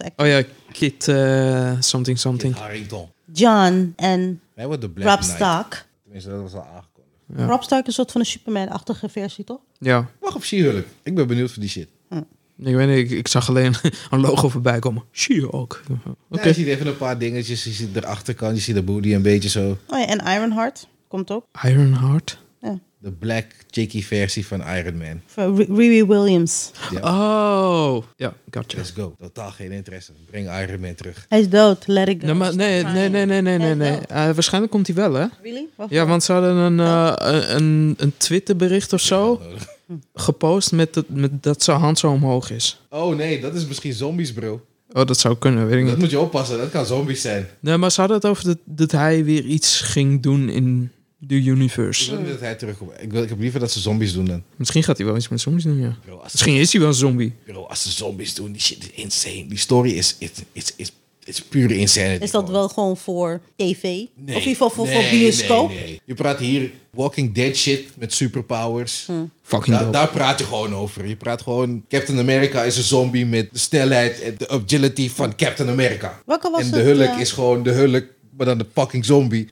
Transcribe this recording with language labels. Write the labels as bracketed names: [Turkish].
[English] actors. Oh ja, Kit something something. [Dutch] John en Rob Stark. Tenminste, dat was al aangekondigd. Ja. Rob Stark is een soort van een Superman-achtige versie, toch? Ja. Wacht op She-Hulk. Ik ben benieuwd voor die shit. Hm. Ik weet niet, ik zag alleen een logo voorbij komen. She-Hulk. Okay. Ja, je ziet even een paar dingetjes. Je ziet de achterkant, je ziet de booty een beetje zo. Oh ja, en Ironheart komt ook. Ironheart? De black cheeky versie van Iron Man. Van Riri Williams. Ja. Oh, ja, [English] gotcha. Let's go. [Dutch] Totaal geen interesse. Breng Iron Man terug. Hij is dood, [English] let it go. [Dutch] Nee, maar nee. Waarschijnlijk komt hij wel, hè? [English] Really? [Dutch] Wat ja, voor? Want ze hadden een Twitterbericht of zo gepost met dat zijn hand zo omhoog is. Oh nee, dat is misschien zombies, bro. Oh, dat zou kunnen, weet ik niet. Dat moet je oppassen, dat kan zombies zijn. Nee, maar ze hadden het over dat hij weer iets ging doen in... De universe. Ik wil niet dat hij terugkomt. Ik heb liever dat ze zombies doen dan. Misschien gaat hij wel iets met zombies doen, ja. Bro, misschien is hij wel een zombie. Bro, als ze zombies doen, die shit is insane. Die story is pure insanity. Is dat gewoon. Wel gewoon voor tv? Nee. Of in ieder geval voor bioscoop? Nee. Je praat hier Walking Dead shit met superpowers. Hm. Fucking daar praat je gewoon over. Je praat gewoon Captain America is een zombie met de snelheid en de agility van Captain America. Welke was en het, de Hulk is gewoon de Hulk. Maar dan de fucking zombie.